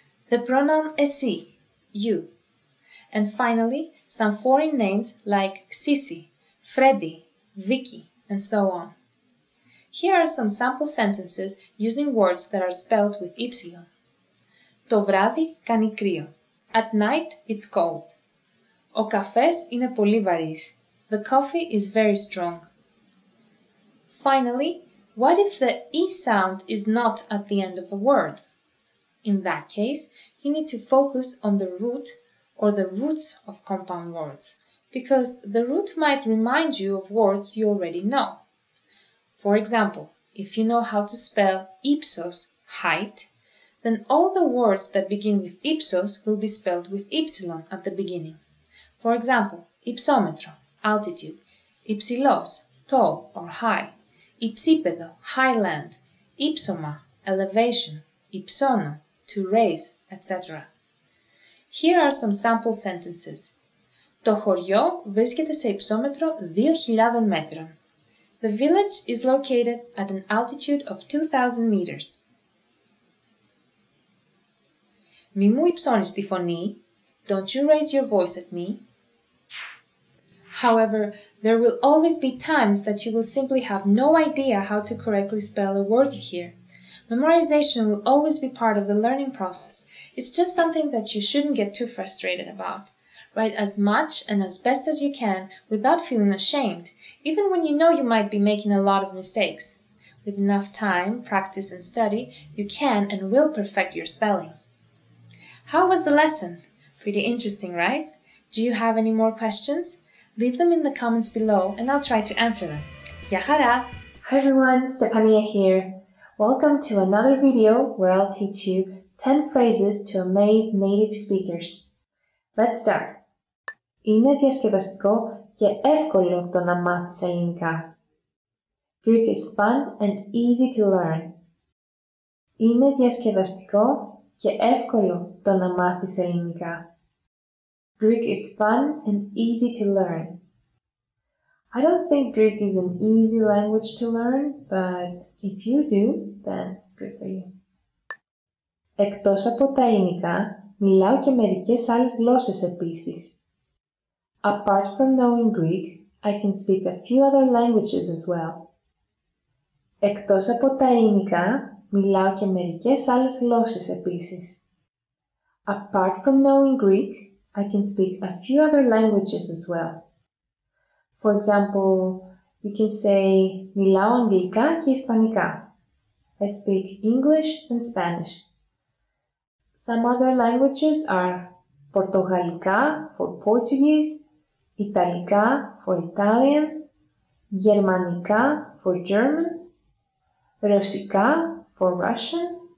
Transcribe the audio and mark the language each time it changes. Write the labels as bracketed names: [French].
[English] The pronoun esi, you. And finally, some foreign names like Sisi, Freddy, Vicky, and so on. Here are some sample sentences using words that are spelled with ypsilon. [Greek] Το βράδυ κάνει κρύο. [English] At night, it's cold. [Greek] Ο καφές είναι πολύ βαρύς. [English] The coffee is very strong. Finally, what if the e sound is not at the end of a word? In that case, you need to focus on the root or the roots of compound words, because the root might remind you of words you already know. For example, if you know how to spell ipsos, height, then all the words that begin with ipsos will be spelled with ypsilon at the beginning. For example, ipsometro, altitude, ipsilos, tall or high, ipsipedo, highland, ipsoma, elevation, ipsono, to raise, etc. Here are some sample sentences. [Greek] Το χωριό βρίσκεται σε υψόμετρο 2,000 μέτρων. [English] The village is located at an altitude of 2,000 meters. [Greek] Μη μου υψώνεις τη φωνή. [English] Don't you raise your voice at me. However, there will always be times that you will simply have no idea how to correctly spell a word you hear. Memorization will always be part of the learning process. It's just something that you shouldn't get too frustrated about. Write as much and as best as you can without feeling ashamed, even when you know you might be making a lot of mistakes. With enough time, practice and study, you can and will perfect your spelling. How was the lesson? Pretty interesting, right? Do you have any more questions? Leave them in the comments below and I'll try to answer them. [Greek] Γεια χαρά! [English] Hi everyone, Stefania here. Welcome to another video where I'll teach you 10 phrases to amaze native speakers. Let's start. [Greek] Είναι διασκεδαστικό και εύκολο το να μάθεις ελληνικά. [English] Greek is fun and easy to learn. [Greek] Είναι διασκεδαστικό και εύκολο το να μάθεις ελληνικά. [English] Greek is fun and easy to learn. I don't think Greek is an easy language to learn, but if you do, then good for you. [Greek] Εκτός από τα ελληνικά, μιλάω και μερικές άλλες γλώσσες επίσης. [English] Apart from knowing Greek, I can speak a few other languages as well. [Greek] Εκτός από τα ελληνικά, μιλάω και μερικές άλλες γλώσσες επίσης. [English] Apart from knowing Greek, I can speak a few other languages as well. For example, you can say [Greek] μιλάω αγγλικά και ισπανικά. [English] I speak English and Spanish. Some other languages are Πορτογαλικά for Portuguese, Ιταλικά for Italian, Γερμανικά for German, Ρωσικά for Russian,